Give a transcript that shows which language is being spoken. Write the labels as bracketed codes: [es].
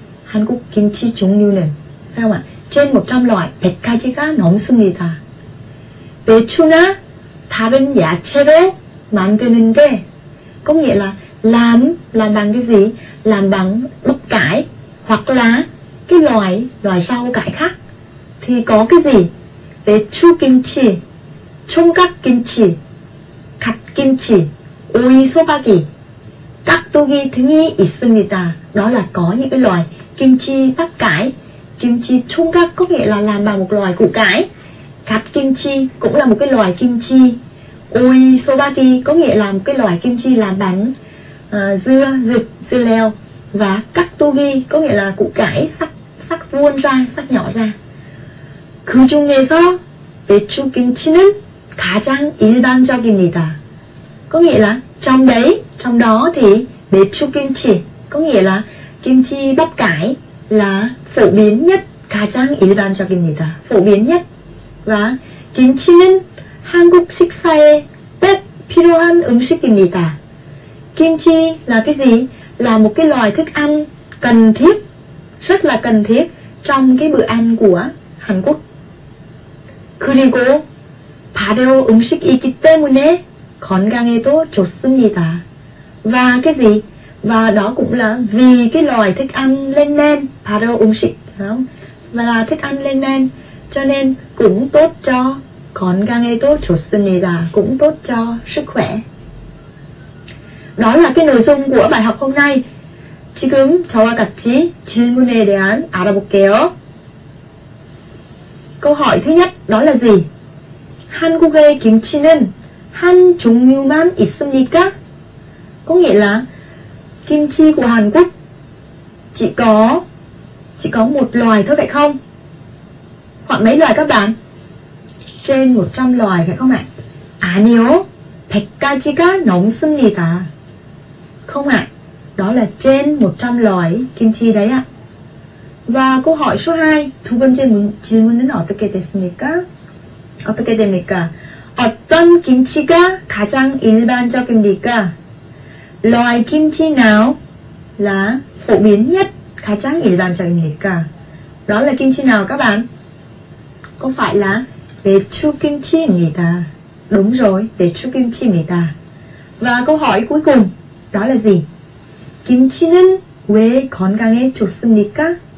[ko] 한국 김치 종류는, [vi] phải không ạ? Trên 100 loại, [ko] 100가지가 넘습니다. 배추나 다른 야채로 만드는데, [vi] có nghĩa là làm bằng cái gì? Làm bằng bắp cải hoặc là cái loại rau cải khác. Thì có cái gì? [ko] 배추 김치, 총각 김치, 갓 김치, 오이 소박이, 깍두기 등이 있습니다. [vi] Đó là có những cái loại kim chi bắp cải. Kim chi chung các có nghĩa là làm bằng một loại củ cải. Gạt kim chi cũng là một cái loại kim chi. Ui sobaki có nghĩa là một cái loại kim chi làm bằng dưa leo. Và katugi có nghĩa là củ cải sắc vuông ra, sắc nhỏ ra. Cứ chung nghe sao? Bechu kim chi nữ khá trang yên đăng cho kim nita. Có nghĩa là trong đó thì bechu kim chi có nghĩa là kim chi bắp cải là phổ biến nhất, [ko] 가장 일반적입니다. [vi] Phổ biến nhất. [ko] Và 김치는 한국 식사에 꼭 필요한 음식입니다. [vi] Kim chi là cái gì? Là một cái loại thức ăn cần thiết, rất là cần thiết trong cái bữa ăn của Hàn Quốc. [ko] 그리고 발효 음식이기 때문에 건강에도 좋습니다. [vi] Và cái gì? Và đó cũng là vì cái loại thức ăn lên men, paro umshik, không? Và là thức ăn lên men, cho nên cũng tốt cho con gange to jossunida, cũng tốt cho sức khỏe. Đó là cái nội dung của bài học hôm nay. [ko] 지금 저와 같이 질문에 대한 알아볼게요. [vi] Câu hỏi thứ nhất đó là gì? [ko] 한국의 김치는 한 종류만 있습니까? [vi] Có nghĩa là kim chi của Hàn Quốc chỉ có một loài thôi phải không? Hoặc mấy loài các bạn? Trên 100 loài phải không ạ? [ko] 아니요. 100가지가 넘습니다. [vi] Không ạ, đó là trên 100 loại kim chi đấy ạ. Và câu hỏi số 2, [ko] 두 번째 질문은 어떻게 됐습니까? 어떻게 됩니까? 어떤 김치가 가장 일반적입니까? [vi] Loại kim chi nào là phổ biến nhất, [ko] 가장 일반적입니까? [vi] Đó là kim chi nào các bạn? Có phải là [ko] 배추 김치입니다. [vi] Đúng rồi, [ko] 배추 김치입니다. [vi] Và câu hỏi cuối cùng, đó là gì? [ko] 김치는 왜 건강에 좋습니까?